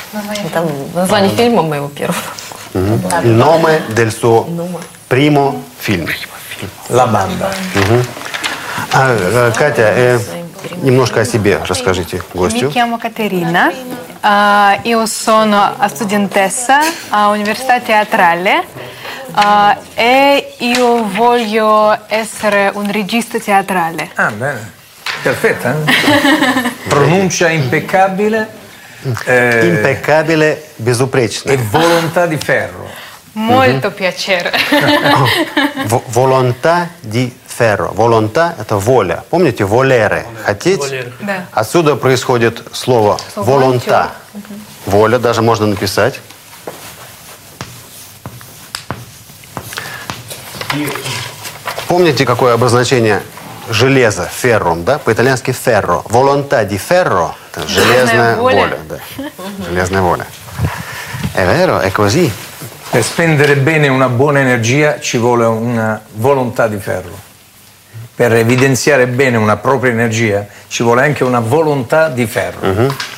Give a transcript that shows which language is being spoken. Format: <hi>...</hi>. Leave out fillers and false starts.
<ru>Название фильма моего первого.</ru> <it>Il nome del suo primo film. La Banda.</it> <ru>Катя, немножко о себе расскажите гостю.</ru> <it>Mi chiamo Caterina. Io sono studentessa a Università Teatrale. E io voglio essere un regista teatrale. Ah, bene. Perfetta. Pronuncia impeccabile. Impeccabile, безупречно. E volontà di ferro. Molto piacere. Volontà di ferro.</it> <ru>Volontà – это воля. Помните, volere – хотеть? Да. Отсюда происходит слово «волонта». Воля, даже можно написать. Помните, какое обозначение железа – ferrum, да? По-итальянски – ferro.</ru> <it>Volontà di ferro</it> <ru>– это железная воля. Да. Железная воля.</ru> <it>È vero, è così. Per spendere bene una buona energia ci vuole una volontà di ferro. Per evidenziare bene una propria energia ci vuole anche una volontà di ferro.</it>